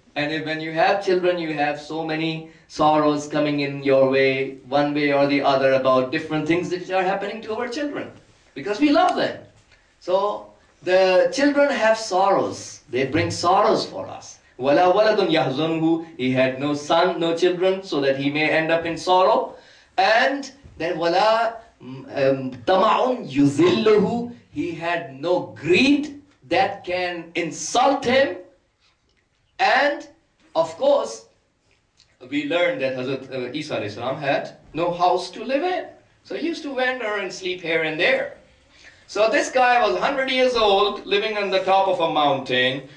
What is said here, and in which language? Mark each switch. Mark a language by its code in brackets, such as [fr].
[en] And if, when you have children, you have so many sorrows coming in your way, one way or the other, about different things that are happening to our children. Because we love them. So the children have sorrows. They bring sorrows for us. [ar] وَلَا وَلَدٌ يَحْزُنُهُ. [en] He had no son, no children, so that he may end up in sorrow. And then [ar] وَلَا تَمَعٌ يُزِلُّهُ. [en] He had no greed that can insult him. And of course, we learned that Hazrat Isa alayhi salam had no house to live in. So he used to wander and sleep here and there. So this guy was 100 years old, living on the top of a mountain.